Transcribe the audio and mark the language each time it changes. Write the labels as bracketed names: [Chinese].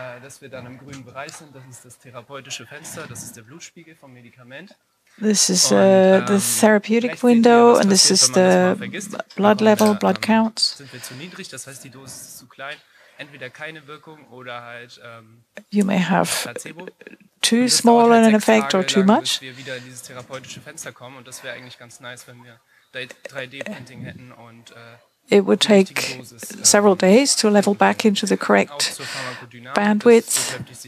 [German] Dass wir dann im grünen Bereich sind, das ist das therapeutische Fenster, das ist der Blutspiegel vom Medikament. [English] This is the therapeutic window, and this is the blood level, blood count. [German] Sind wir zu niedrig, das heißt, die Dosis ist zu klein, entweder keine Wirkung oder halt [English] you may have too small an effect or too much. [German] Wir wieder in dieses therapeutische Fenster kommen, und das wäre eigentlich ganz nice, wenn wir 3D-Printing hätten und [English] it would take several days to level back into the correct bandwidth.